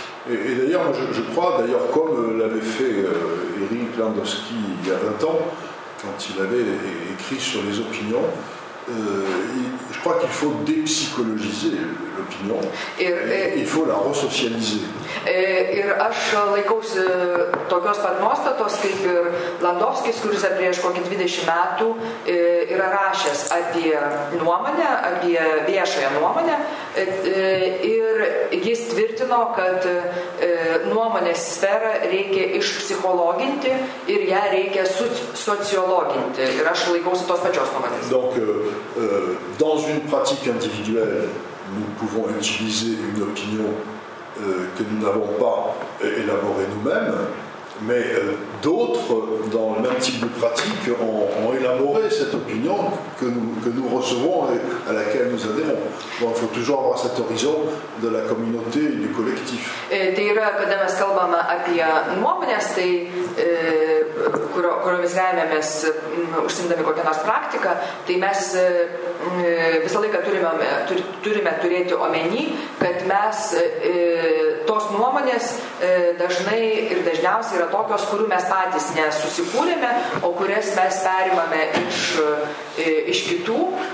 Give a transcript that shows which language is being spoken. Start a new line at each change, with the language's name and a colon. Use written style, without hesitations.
French: Et d'ailleurs, je crois, d'ailleurs, comme l'avait fait Eric Landowski il y a 20 ans, quand il avait écrit sur les opinions, je crois qu'il faut dépsychologiser l'opinion et il faut la resocialiser.
Lithuanian: Ir aš laikausi tokios pat nuostatos, kaip ir Landovskis, kuris prieš kokį 20 metų yra rašęs apie nuomonę, apie viešąją nuomonę, ir jis tvirtino, kad nuomonės sferą reikia išpsichologinti ir ją reikia sociologinti. Ir aš laikausi tos pačios nuomonės.
French: Donc, dans une pratique individuelle, nous pouvons utiliser une opinion que nous n'avons pas élaboré nous-mêmes, mais d'autres, dans le même type de pratique, ont élaboré cette opinion que nous recevons et à laquelle nous adhérons. Donc il faut toujours avoir cet horizon de la communauté et du collectif.
Lithuanian: Tai yra, kada mes kalbame apie nuomonės, tai kuriomis remiamės užsiimdami kokią nors praktiką, tai mes visą laiką turime turėti omeny, kad mes tos nuomonės dažnai ir dažniausiai yra tokios, kurių mes patys nesusikūrėme, o kurias mes perimame iš kitų.